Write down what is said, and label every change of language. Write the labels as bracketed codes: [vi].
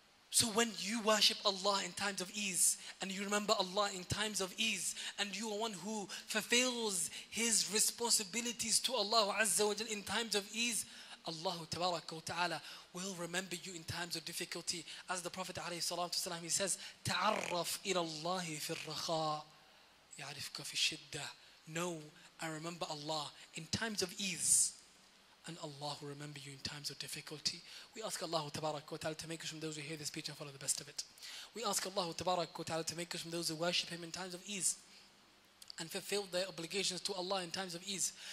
[en] So when you worship Allah in times of ease, and you remember Allah in times of ease, and you are one who fulfills his responsibilities to Allah Azza wa Jalla in times of ease, Allah Ta'ala will remember you in times of difficulty. As the Prophet [ar] عليه الصلاة والسلام, [en] he says, [ar] تعرف إلى الله في الرخاء يعرفك في الشدة. [en] Know and remember Allah in times of ease, and Allah will remember you in times of difficulty. We ask Allah Ta'ala to make us from those who hear this speech and follow the best of it. We ask Allah Ta'ala to make us from those who worship him in times of ease and fulfill their obligations to Allah in times of ease.